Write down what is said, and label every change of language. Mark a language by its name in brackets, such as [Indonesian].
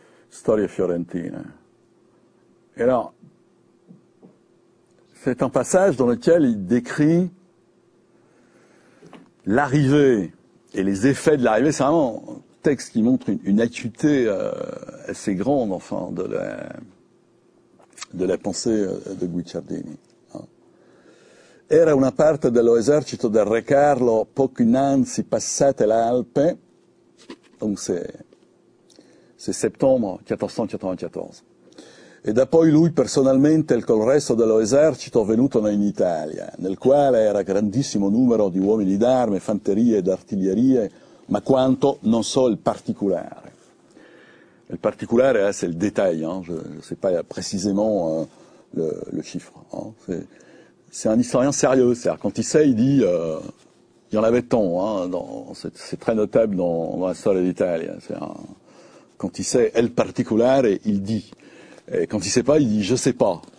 [French] Storie Fiorentine. Et alors, c'est un passage dans lequel il décrit l'arrivée et les effets de l'arrivée. C'est vraiment un texte qui montre une acuité assez grande, enfin, de la pensée de Guicciardini. [Italian] Era una parte dello esercito del re Carlo poco innanzi passate le Alpi. [French] Donc c'est septembre 1494. Et d'après lui, personnellement, [Italian] il col resto dello esercito venuto in Italia, nel quale era grandissimo numero di uomini d'arme, fanterie ed artiglierie, ma quanto non so il particolare. [French] Il particulare, là, c'est le détail, hein, je ne sais pas précisément le chiffre. Hein. C'est un historien sérieux, c'est-à-dire quand il sait, il dit, il y en avait tant, hein, c'est très notable dans l'histoire d'Italie. Quand il sait « el particulare », il dit. Et quand il sait pas, il dit « je sais pas ».